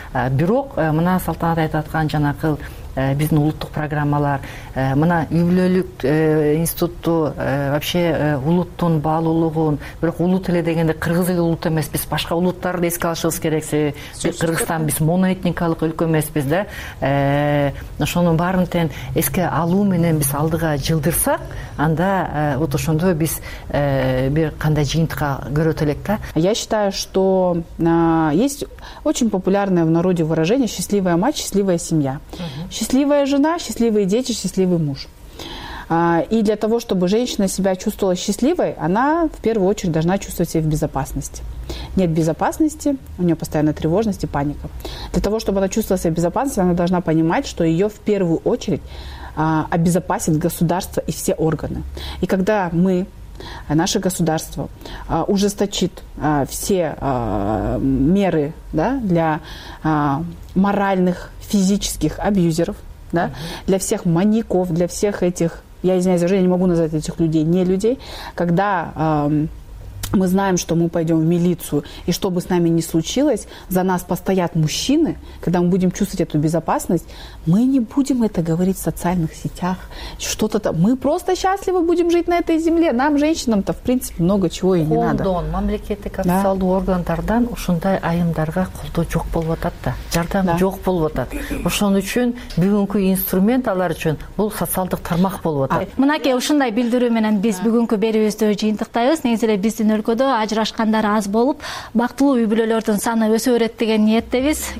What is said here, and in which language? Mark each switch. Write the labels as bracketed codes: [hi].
[ky] Бирок мына Салтанат айтып аткан жанакы биздин улуттук программалар, мына үй бүлөлүк институту, вообще улуттун баалуулугун, бирок улут эле дегенде кыргыз эле улут эмес, биз башка улуттарды эске алышыбыз керек. Себеби Кыргызстан биз моноэтникалык өлкө эмеспиз да. Ошонун баарын тең эске алуу менен биз алдыга жылдырсак, анда вот ошондо биз бир кандай жыйынтыкка көрөт элек да. [ru] Я считаю, что есть очень популярное в народе выражение «счастливая мать, счастливая семья». Счастливая жена, счастливые дети, счастливый муж. И для того, чтобы женщина себя чувствовала счастливой, она в первую очередь должна чувствовать себя в безопасности. Нет безопасности, у нее постоянная тревожность и паника. Для того, чтобы она чувствовала себя в безопасности, она должна понимать, что ее в первую очередь обезопасит государство и все органы. И когда мы, наше государство, ужесточит все меры, да, для моральных, физических абьюзеров, да, для всех маньяков, для всех этих, я извиняюсь, я не могу назвать этих людей не людей, когда мы знаем, что мы пойдем в милицию, и что бы с нами ни случилось, за нас постоят мужчины, когда мы будем чувствовать эту безопасность, мы не будем это говорить в социальных сетях, что-то там. Мы просто счастливы будем жить на этой земле. Нам, женщинам-то, в принципе, много чего и не надо. [ky] Колдон, мамлекеттик социалдуу органдардан ушундай айымдарга колдоо жок болуп атат да. Жардам жок болуп атат. Ошон үчүн бүгүнкү инструмент алар үчүн бул социалдык тармак болуп атат. Мынакей ушундай билдирүү менен биз бүгүнкү берүүбүздө жыйынтыктайбыз. Негизи эле биз өлкөдө ажырашкандар аз болуп, бактылуу үй бүлөлөрдүн саны өсө берет деген ниеттебиз.